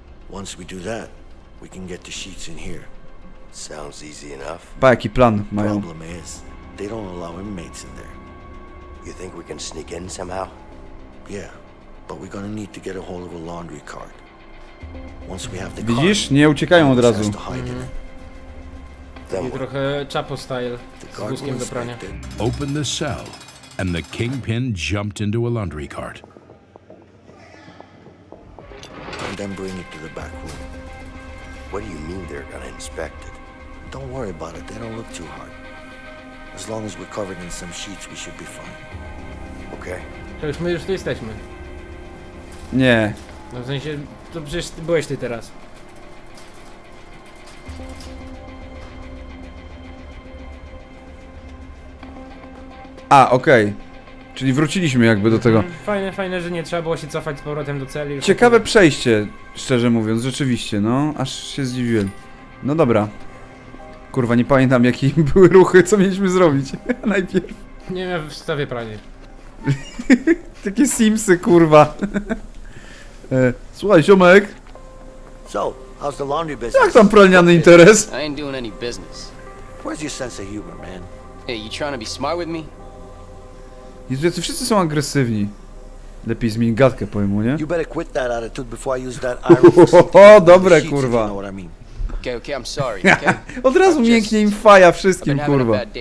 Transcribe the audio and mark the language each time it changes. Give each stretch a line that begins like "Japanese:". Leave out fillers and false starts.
English: Once we do that, we can get the sheets in here. Sounds easy enough.
Polish: Pa, jaki plan mają?
English: Problem is, they don't allow inmates in there. You think we can sneak in somehow? Yeah, but we're gonna need to get a hold of a laundry cart. Once we have the cart,
Polish: widzisz? Nie uciekają od razu. I trochę Chapo style z wózkiem do prania.
English: Open the cell, and the kingpin jumped into a laundry cart. Then bring it to the back room. What do you mean they're gonna inspect it? Don't worry about it, they don't look too hard. As long as we're covered in some sheets, we should be fine. Okay?
Polish: To już my już tu jesteśmy. Nie. No w sensie, to przecież ty byłeś ty teraz. A, okej. Czyli wróciliśmy jakby do tego. Fajne, że nie trzeba było się cofać z powrotem do celi. Ciekawe przejście, szczerze mówiąc, rzeczywiście, no, aż się zdziwiłem. No dobra. Kurwa, nie pamiętam jakie były ruchy, co mieliśmy zrobić najpierw. Nie wiem, w stawie pranie. Takie Simsy, kurwa. Słuchaj, ziomek.
English: So, how's the laundry business?
Polish: Jak tam pralniany interes?
English: I ain't doing any business. Where's your sense of humor, man? Hey, you trying to be smart with me?
Polish: Jezu, jacy wszyscy są agresywni. Lepiej zmień gadkę po imu, nie?
English: You better quit that attitude before I use that iron.
Polish: O, dobre, kurwa.
English: Okay, I'm sorry,
Polish: okay? Od razu mięknie im faja wszystkim, kurwa.